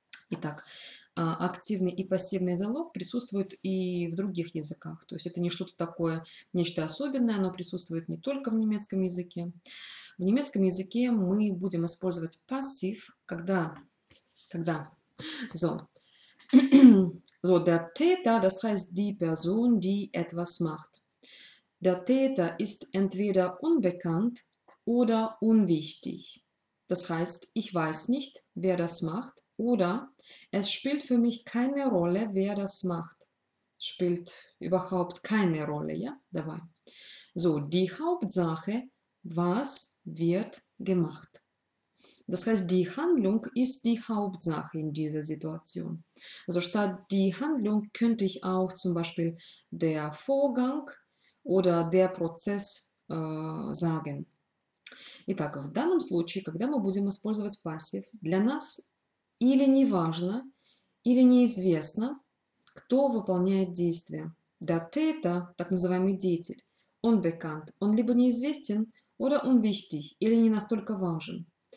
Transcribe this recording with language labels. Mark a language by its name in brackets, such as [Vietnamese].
[Russian] Итак, активный и пассивный залог присутствуют и в других языках, то есть это не что-то такое, нечто особенное, оно присутствует не только в немецком языке. В немецком языке мы будем использовать пассив, когда зон. [German] So, der Täter, das heißt die Person, die etwas macht. Der Täter ist entweder unbekannt oder unwichtig. Das heißt, ich weiß nicht, wer das macht, oder es spielt für mich keine Rolle, wer das macht. Spielt überhaupt keine Rolle, ja, dabei. So, die Hauptsache, was wird gemacht? Das heißt, die Handlung ist die Hauptsache in dieser Situation. Also statt die Handlung könnte ich auch zum Beispiel der Vorgang oder der Prozess sagen. [Russian] Итак, в данном случае, когда мы будем использовать пассив, для нас или не важно, или неизвестно, кто выполняет действие. Der Täter, так называемый деятель, он bekannt, он либо неизвестен, [German] oder unwichtig, [Russian] или не настолько важен.